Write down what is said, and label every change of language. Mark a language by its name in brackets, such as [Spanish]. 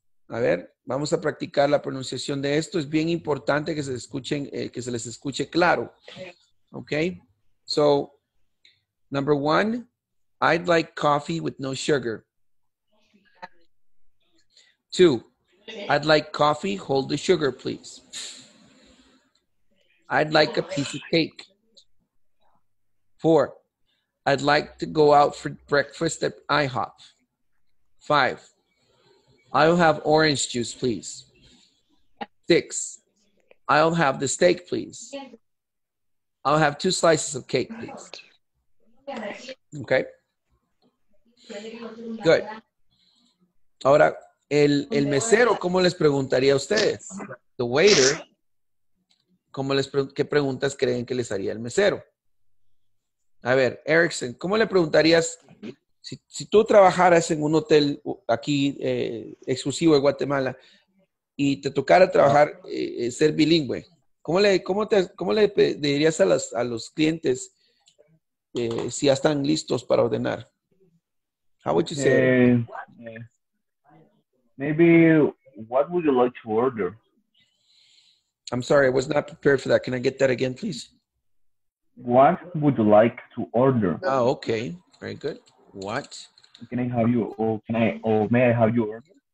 [Spanish] A ver, vamos a practicar la pronunciación de esto. Es bien importante que se escuchen, que se les escuche claro. [English] Okay. So, number one, I'd like coffee with no sugar. 2, I'd like coffee, hold the sugar, please. I'd like a piece of cake. 4, I'd like to go out for breakfast at IHOP. 5, I'll have orange juice, please. 6, I'll have the steak, please. I'll have 2 slices of cake, please. Okay. Good. [Spanish] Ahora, el mesero, ¿cómo les preguntaría a ustedes? [English] The waiter, [Spanish] ¿cómo les qué preguntas creen que les haría el mesero? A ver, Erickson, ¿cómo le preguntarías si tú trabajaras en un hotel aquí exclusivo de Guatemala y te tocara trabajar, ser bilingüe? ¿Cómo le dirías a los clientes si ya están listos para ordenar? [English] How would you say? Maybe, what would you like to order? I'm sorry, I was not prepared for that. Can I get that again, please? What would you like to order? Oh, okay. Very good. What? Can I have you, may I have you order?